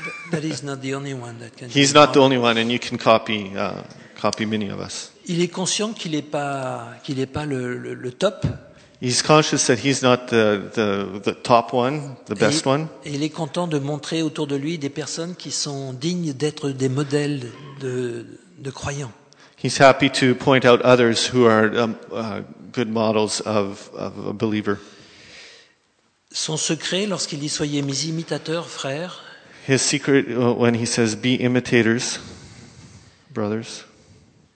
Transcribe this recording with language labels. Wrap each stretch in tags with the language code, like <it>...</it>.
<en>but he's not the only one that can. He's not the only one, and you can copy many of us.</en> <fr>Il est conscient qu'il n'est pas le top.</fr> <en>He's conscious that he's not the top one, the best one.</en> <fr>Et il est content de montrer autour de lui des personnes qui sont dignes d'être des modèles de croyants.</fr> <en>He's happy to point out others who are good models of a believer.</en> <fr>Son secret, lorsqu'il dit « Soyez mes imitateurs, frères »,</fr> <en>his secret, when he says « Be imitators, brothers »,</en>